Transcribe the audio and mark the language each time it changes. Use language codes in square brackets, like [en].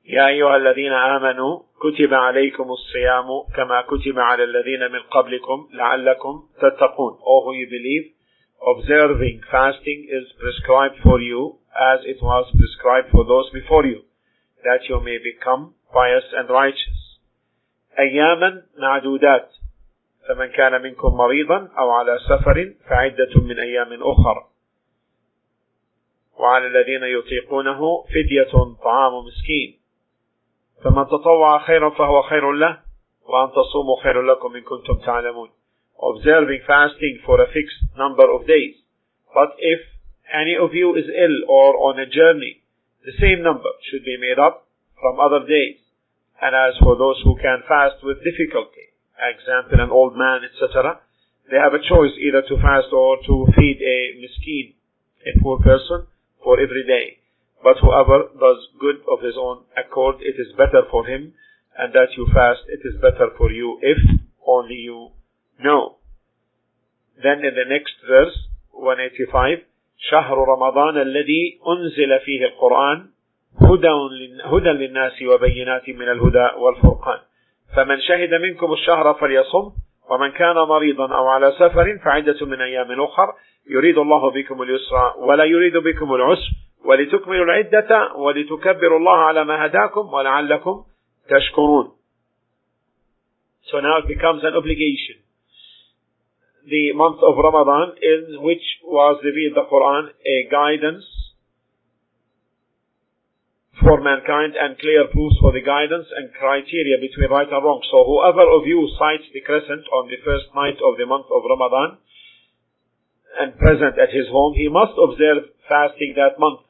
[ar] يَا أَيُّهَا الَّذِينَ آمَنُوا كُتِبَ عَلَيْكُمُ الصِّيَامُ كَمَا كُتِبَ عَلَى الَّذِينَ مِنْ قَبْلِكُمْ لَعَلَّكُمْ تَتَّقُونَ. [en] All who you believe, observing fasting is prescribed for you as it was prescribed for those before you, that you may become pious and righteous. [ar] أياما معدودات فمن كان منكم مريضا أو على سفر فعدة من أيام أخر وعلى الذين يطيقونه فدية طعام مسكين فمن تطوع خيرا فهو خير له وأن تصوموا خير لكم إن كنتم تعلمون. [en] Observing fasting for a fixed number of days, but if any of you is ill or on a journey, the same number should be made up from other days. And as for those who can fast with difficulty, example an old man, etc., they have a choice either to fast or to feed a miskeen, a poor person, for every day. But whoever does good of his own accord, it is better for him, and that you fast, it is better for you, if only you know. Then in the next verse, 185, [ar] شهر رمضان الذي أنزل فيه القرآن هدى للناس وبينات من الهدى والفرقان فمن شهد منكم الشهر فليصم ومن كان مريضا أو على سفر فعدة من أيام أخر يريد الله بكم اليسر ولا يريد بكم العسر ولتكملوا العدة ولتكبروا الله على ما هداكم ولعلكم تشكرون. [en] So now it becomes an obligation. The month of Ramadan, in which was revealed the Quran, a guidance for mankind and clear proofs for the guidance and criteria between right and wrong. So whoever of you sights the crescent on the first night of the month of Ramadan and present at his home, he must observe fasting that month.